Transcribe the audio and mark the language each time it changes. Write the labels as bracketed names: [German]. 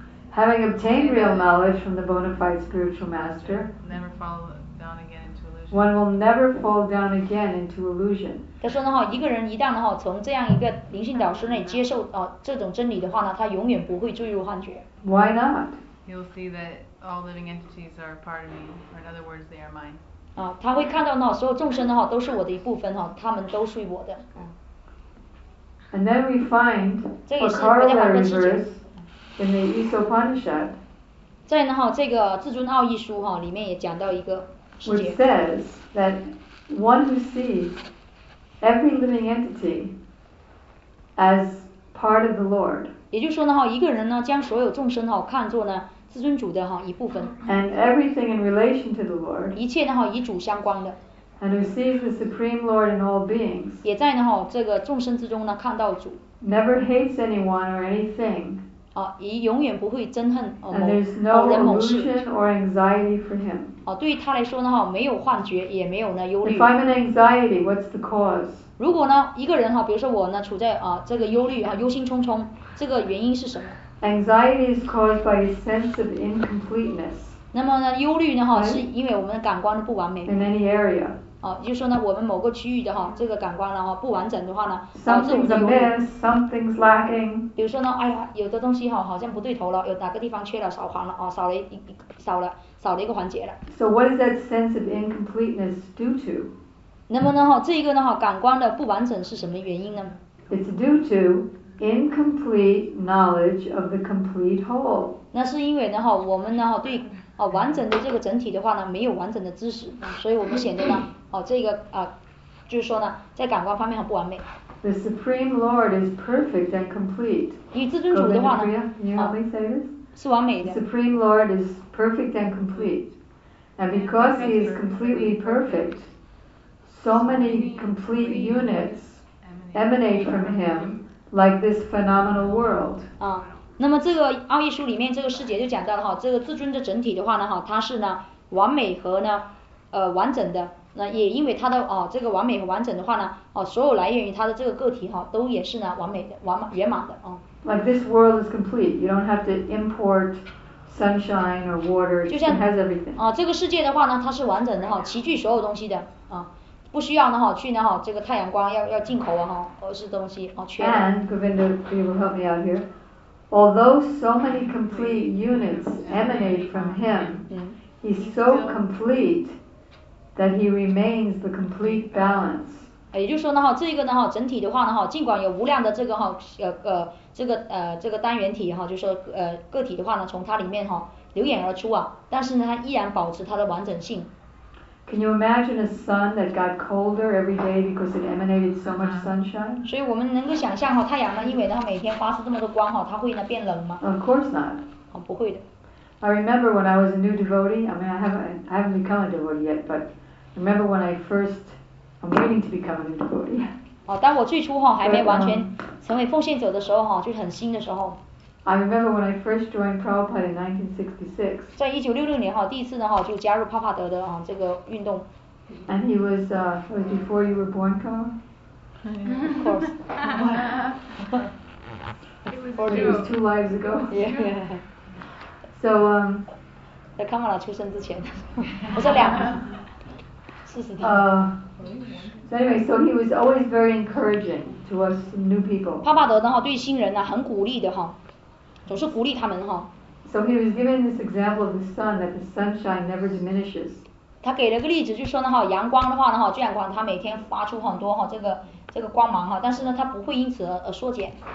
[English] Having obtained real knowledge from the bona fide spiritual master, never fall down again into illusion. One will never fall down again into illusion. [Chinese] 他说呢哈，一个人一旦呢哈从这样一个灵性导师那里接受这种真理的话呢，他永远不会坠入幻觉。 [English] Why not? You'll see that all living entities are part of me, or in other words, they are mine. [Chinese] 他会看到呢，所有众生的话都是我的一部分哈，他们都属于我的。 [English] And then we find a corollary verse in the Isopanishad. [Chinese] 在呢哈这个至尊奥义书哈里面也讲到一个师姐。 [English] Which says that one who sees Every living entity as part of the Lord. [Chinese] 也就是说呢哈，一个人呢将所有众生哈看作呢至尊主的哈一部分。 [English] And everything in relation to the Lord. [Chinese] 一切呢哈与主相关的。 [English] And who sees the supreme Lord in all beings. [Chinese] 也在呢哈这个众生之中呢看到主。 [English] Never hates anyone or anything. [Chinese] 也永远不会憎恨某人某事。 [English] And there's no illusion or anxiety for him. [Chinese] 对于他来说呢没有幻觉也没有呢忧虑。 [English] If I'm in anxiety, what's the cause? [Chinese] 如果呢一个人比如说我呢处在这个忧虑忧心忡忡这个原因是什么 [English] Anxiety is caused by a sense of incompleteness. [Chinese] 那么呢忧虑呢是因为我们的感官的不完美。 [English] In any area. [Chinese] 就是说呢我们某个区域的这个感官呢不完整的话呢 [English] Something's amiss, something's lacking. [Chinese] 比如说呢有的东西好像不对头了有哪个地方缺了少环了少了一个环节了。 [English] So what is that sense of incompleteness due to? [Chinese] 那么呢这一个呢感官的不完整是什么原因呢 [English] ？It's due to incomplete knowledge of the complete whole. [Chinese] 那是因为呢我们呢对完整的这个整体的话呢没有完整的知识，所以我们显得呢这个就是说呢在感官方面很不完美。 [English] The Supreme Lord is perfect and complete. [Chinese] 与至尊主的话呢 是完美的。 [English] The Supreme Lord is perfect and complete. And because he is completely perfect, so many complete units emanate from him, like this phenomenal world. [Chinese] 那么这个奥义书里面这个师姐就讲到了这个至尊的整体的话呢它是呢完美和呢完整的。那也因为它的这个完美和完整的话呢所有来源于它的这个个体都也是呢完美的圆满的。 [English] Like this world is complete. You don't have to import sunshine or water. It has everything. [Chinese] 这个世界的话呢，它是完整的齐聚所有东西的不需要呢去呢这个太阳光要进口而是东西全。 [English] And Govinda, you will help me out here. Although so many complete units emanate from him, he's so complete that he remains the complete balance. [Chinese] 也就是说呢这个呢整体的话呢尽管有无量的这个这个单元体就是说个体的话呢从它里面流眼而出但是呢它依然保持它的完整性。 [English] Can you imagine a sun that got colder every day because it emanated so much sunshine? [Chinese] 所以我们能够想象太阳呢因为它每天发射这么多光它会呢变冷吗 [English] ？Of course not. [Chinese] 不会的。 [English] I remember when I was a new devotee. I mean, I haven't become a devotee yet, but remember when I firstI'm waiting to become a new devotee. [Chinese] 当我最初还没完全成为奉献者的时候就很新的时候。 [English] I remember when I first joined Prabhupada in 1966. [Chinese] 在1966年第一次呢就加入帕帕德的这个运动。 [English] And he was before you were born, Kamala? Of course. Or it was two lives ago. Yeah. So, [Chinese] 在康瓦拉出生之前，不是两，四十天。 [English] So anyway, so he was always very encouraging to us new people. [Chinese] 帕帕德呢对新人呢很鼓励的哈，总是鼓励他们哈。 [English] So he was giving this example of the sun, that the sunshine never diminishes. [Chinese] 他给了个例子，就说呢哈，阳光的话呢哈，尽管它每天发出很多哈这个光芒哈，但是呢它不会因此而缩减。